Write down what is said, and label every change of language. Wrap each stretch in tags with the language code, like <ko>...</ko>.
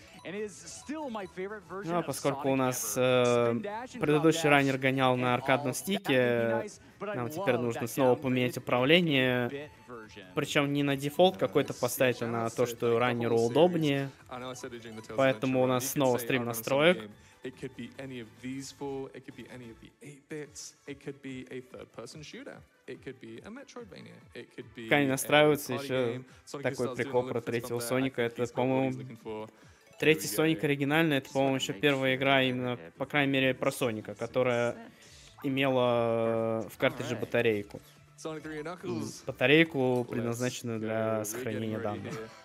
<ru>Ну, а поскольку у нас предыдущий раннер гонял на аркадном стике, нам теперь нужно снова поменять управление, причем не на дефолт какой-то поставить, а на то, что раннеру удобнее, поэтому у нас снова стрим настроек.</ru> <en>It could be any of these four, it could be any of the 8-bits, it could be a third-person shooter, it could be a Metroidvania, it could be a party game.</en> <ru>Такой прикол про третьего Соника, это, по-моему... Третий Соник оригинальный, это, по-моему, еще первая игра именно, по крайней мере, про Соника, которая имела в картридже батарейку. Батарейку, предназначенную для сохранения данных.</ru>